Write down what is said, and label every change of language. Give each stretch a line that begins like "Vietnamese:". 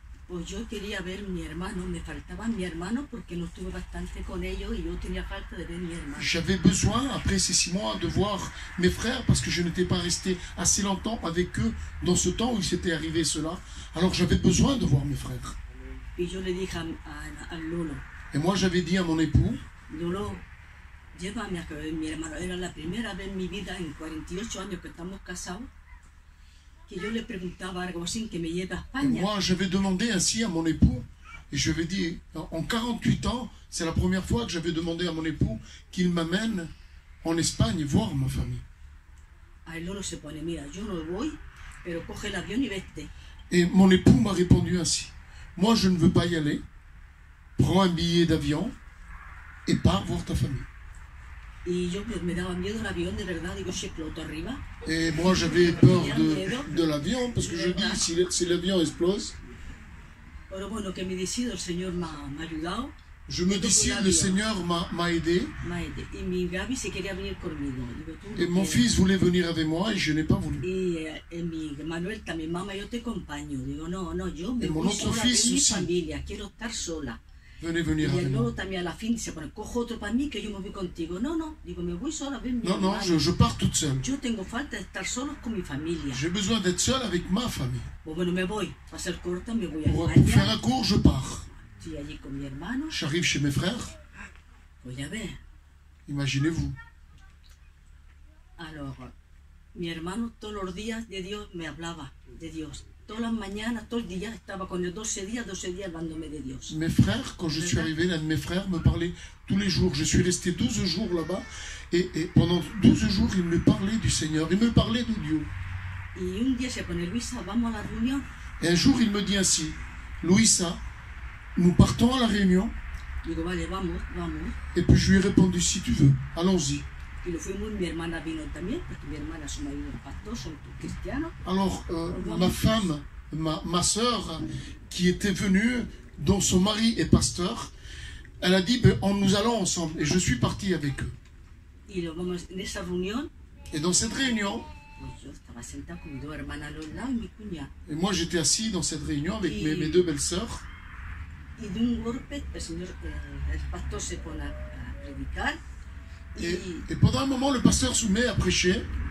Spanish: Pues yo quería ver mi hermano, me faltaba mi hermano porque no estuve bastante con ellos y yo tenía falta de ver mi hermano.
French: J'avais besoin après ces 6 mois de voir mes frères parce que je n'étais pas resté assez longtemps avec eux dans ce temps où il s'était arrivé cela. Alors j'avais besoin de voir mes frères.
Spanish: Y yo le dije a Lolo.
French: Et moi j'avais dit à mon époux.
Spanish: Lolo, llévame a ver mi hermano. Era la primera vez en mi vida en 48 años que estamos casados. Yo le preguntaba algo así, que me lleve a España.
French: Moi, j'avais demandé ainsi à mon époux, et je lui ai dit, en 48 ans, c'est la première fois que j'avais demandé à mon époux qu'il m'amène en Espagne voir ma famille.
Spanish: Ah, Lolo se pone, mira, yo no voy, pero coge el avión y vete.
French: Et mon époux m'a répondu ainsi, moi je ne veux pas y aller, prends un billet d'avion et pars voir ta famille.
Spanish: Y yo me daba miedo al avión, de verdad, digo, si explota arriba.
French: Et moi j'avais peur de l'avion, parce que je dis, si l'avion explose.
Spanish: Pero bueno, que me decido, el Señor
French: m'a
Spanish: ayudado.
French: Je me décide, le Seigneur m'a aidé.
Spanish: Y mi Gaby se quería venir conmigo. Digo,
French: et mon fils voulait venir avec moi, et je n'ai pas voulu. Et
Spanish: mi Manuel también, mamá, yo te acompaño. Digo, no, yo me voy sola, mi familia, quiero estar sola.
French: Venez venir et
Spanish: Lolo también
French: a la fin
Spanish: dice, bueno, cojo otro para mí que yo me voy contigo. No, digo, me voy sola, ven, no, hermano.
French: Je pars toute seule.
Spanish: Yo tengo falta de estar solo con mi familia.
French: J'ai besoin d'être seul avec ma famille.
Spanish: Bueno, me voy, para ser corta, me voy
French: pour a faire un cours, je pars.
Spanish: Estoy allí con mi hermano.
French: J'arrive chez mes frères.
Spanish: Pues ya ves.
French: Imaginez-vous. Alors,
Spanish: mi hermano todos los días de Dios me hablaba de Dios. Todas las mañanas, todo el día estaba con él, 12 días hablándome de Dios.
French: Mes frères, quand je suis arrivé, l'un de mes frères me parlait tous les jours. Je suis resté 12 jours là-bas et pendant 12 jours, il me parlait du Seigneur, il me parlait de Dieu.
Spanish: Y un día se pone, Luisa, vamos a la reunión.
French: Et un jour, il me dit ainsi, Luisa, nous partons à la réunion.
Spanish: Digo, vale, vamos.
French: Et puis je lui ai répondu, si tu veux, allons-y.
Spanish: Y lo fuimos, mi hermana vino también, porque mi hermana es un marido pastor, son cristianos.
French: Alors, ma femme, ma soeur, qui était venue, dont son mari est pasteur, elle a dit, nous allons ensemble, et je suis partie avec eux.
Spanish: Y lo vamos, en esa reunión.
French: Et dans cette réunion.
Spanish: Pues yo estaba sentada con mis dos hermanas, Lola y mi cuña.
French: Et moi j'étais assis dans cette réunion avec mes deux belles-sœurs.
Spanish: Y de un golpe, el pastor se pone a predicar.
French: Et pendant un moment, le pasteur se met à prêcher.